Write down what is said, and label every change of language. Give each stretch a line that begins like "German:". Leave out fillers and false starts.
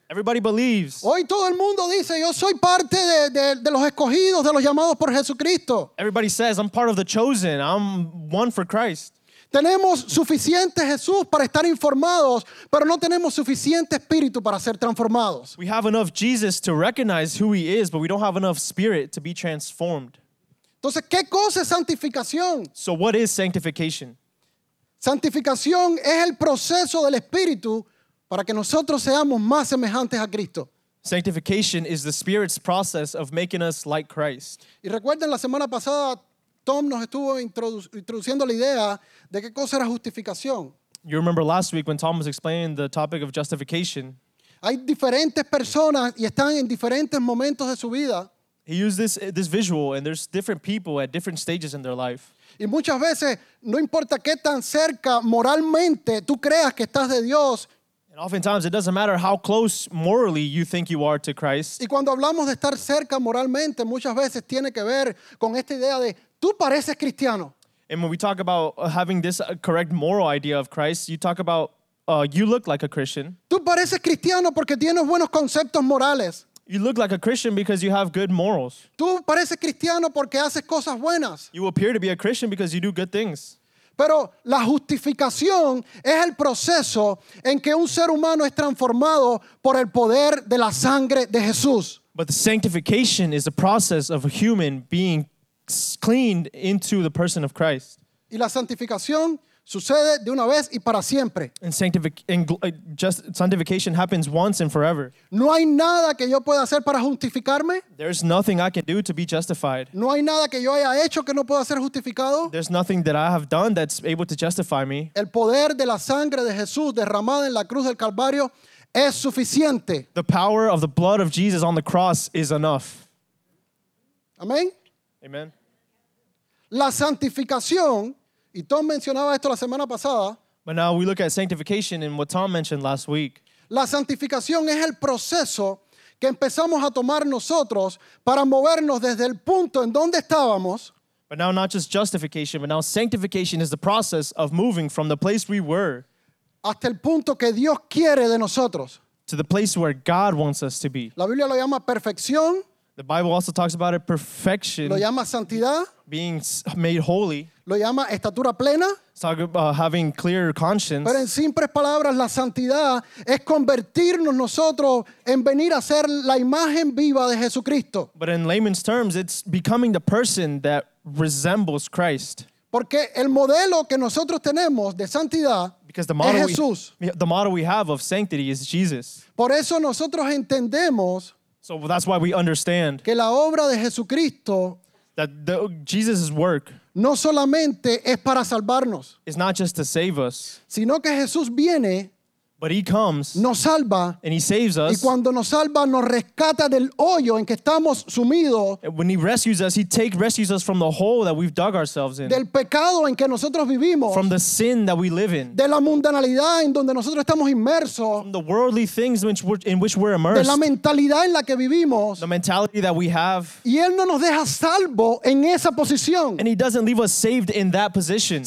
English: Everybody believes.
Spanish: Hoy todo el mundo dice yo soy parte de los escogidos, de los llamados por Jesucristo.
English: Everybody says I'm part of the chosen. I'm one for Christ.
Spanish: Tenemos suficiente Jesús para estar informados, pero no tenemos suficiente espíritu para ser transformados.
English: We have enough Jesus to recognize who he is, but we don't have enough spirit to be transformed.
Spanish: Entonces, ¿qué cosa es santificación?
English: So what is sanctification?
Spanish: Santificación es el proceso del espíritu para que nosotros seamos más semejantes a Cristo.
English: Sanctification is the spirit's process of making us like Christ.
Spanish: Y recuerden la semana pasada Tom nos estuvo introduciendo la idea de qué cosa era justificación.
English: You remember last week when Tom was explaining the topic of justification.
Spanish: Hay diferentes personas y están en diferentes momentos de su vida.
English: He used this visual and there's different people at different stages in their life.
Spanish: Y muchas veces, no importa qué tan cerca moralmente tú creas que estás de Dios.
English: And oftentimes it doesn't matter how close morally you think you are to Christ.
Spanish: Y cuando hablamos de estar cerca moralmente, muchas veces tiene que ver con esta idea de tú pareces cristiano.
English: And when we talk about having this correct moral idea of Christ, you talk about you look like a Christian.
Spanish: Tú pareces cristiano porque tienes buenos conceptos morales.
English: You look like a Christian because you have good morals.
Spanish: Tú pareces cristiano porque haces cosas buenas.
English: You appear to be a Christian because you do good things.
Spanish: Pero la justificación es el proceso en que un ser humano es transformado por el poder de la sangre de Jesús.
English: But the sanctification is the process of a human being cleaned into the person of Christ.
Spanish: Y la santificación sucede de una vez y para siempre.
English: And sanctification happens once and forever.
Spanish: No hay nada que yo pueda hacer para justificarme.
English: There's nothing I can do to be justified.
Spanish: No hay nada que yo haya hecho que no pueda ser justificado.
English: There's nothing that I have done that's able to justify me.
Spanish: El poder de la sangre de Jesús derramada en la cruz del Calvario es suficiente.
English: The power of the blood of Jesus on the cross is enough.
Spanish: Amén.
English: Amen.
Spanish: La santificación, y Tom mencionaba esto la semana pasada.
English: But now we look at sanctification and what Tom mentioned last week.
Spanish: La santificación es el proceso que empezamos a tomar nosotros para movernos desde el punto en donde estábamos.
English: But now not just justification, but now sanctification is the process of moving from the place we were
Spanish: hasta el punto que Dios quiere de nosotros.
English: To the place where God wants us to be.
Spanish: La Biblia lo llama perfección.
English: The Bible also talks about it, perfection.
Spanish: Lo llama santidad.
English: Being made holy.
Spanish: Lo llama estatura plena.
English: It's talking about having clear conscience.
Spanish: Pero en simples palabras, la santidad es convertirnos nosotros en venir a ser la imagen viva de Jesucristo.
English: But in layman's terms, it's becoming the person that resembles Christ.
Spanish: Porque el modelo que nosotros tenemos de santidad es Jesús.
English: The model we have of sanctity is Jesus.
Spanish: Por eso nosotros entendemos.
English: So that's why we understand
Spanish: que la obra de Jesucristo,
English: that the, Jesus' work,
Spanish: no solamente es para salvarnos,
English: is not just to save us,
Spanish: sino que Jesús viene,
English: but he comes,
Spanish: nos salva,
English: and he saves us.
Spanish: Y cuando nos salva, nos rescata del hoyo en que estamos sumidos.
English: And when he rescues us, rescues us from the hole that we've dug ourselves in.
Spanish: Del pecado en que nosotros vivimos.
English: From the sin that we live in.
Spanish: De la mundanalidad en donde nosotros estamos inmersos.
English: From the worldly things in which we're immersed.
Spanish: De la mentalidad en la que vivimos.
English: The mentality that we have.
Spanish: Y él no nos deja salvo en esa posición.
English: And he doesn't leave us saved in that position.